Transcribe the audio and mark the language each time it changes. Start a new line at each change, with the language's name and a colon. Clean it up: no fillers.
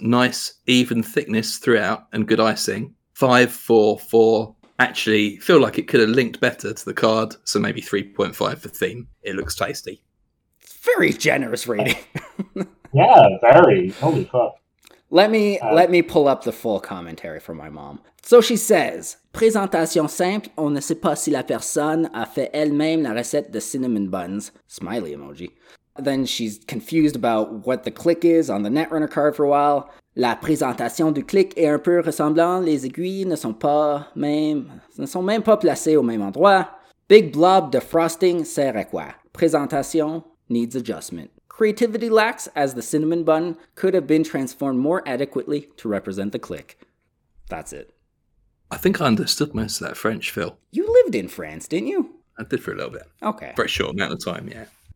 English: Nice, even thickness throughout and good icing. 5, 4, 4. Actually, feel like it could have linked better to the card, so maybe 3.5 for theme. It looks tasty. Very generous rating. Yeah, very. Holy fuck. Let me pull up the full commentary for my mom. So she says,
French: présentation simple, on ne sait pas si la personne a fait elle-même la recette de
English: cinnamon buns. Smiley emoji. Then she's confused about what the click is on the Netrunner card for a while.
French: La présentation du clic est un peu ressemblant. Les aiguilles ne sont même pas placées au même endroit.
English: Big blob de frosting
French: sert à quoi?
English: Présentation needs adjustment. Creativity lacks, as the cinnamon bun could have been transformed more adequately to represent the clic. That's it. I think I understood most of that French, Phil. You lived in France, didn't you? I did for a little bit. Okay. For a short amount of time, yeah.